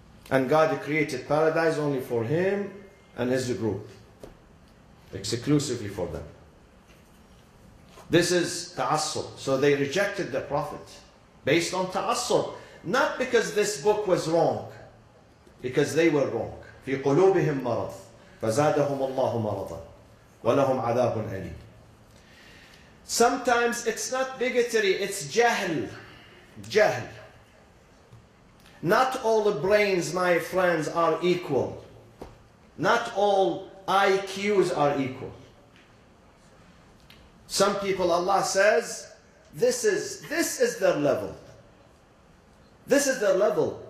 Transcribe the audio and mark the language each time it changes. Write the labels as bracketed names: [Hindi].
[English] And God created paradise only for him and his group, exclusively for them. This is ta'assub. So they rejected the Prophet based on ta'assub. Not because this book was wrong, because they were wrong. [Arabic] في قلوبهم مرض فزادهم الله مرضا ولهم عذاب أليم. [English] Sometimes it's not bigotry, it's jahl. Jahl. Not all the brains, my friends, are equal. Not all IQs are equal. Some people, Allah says, this is their level. This is their level.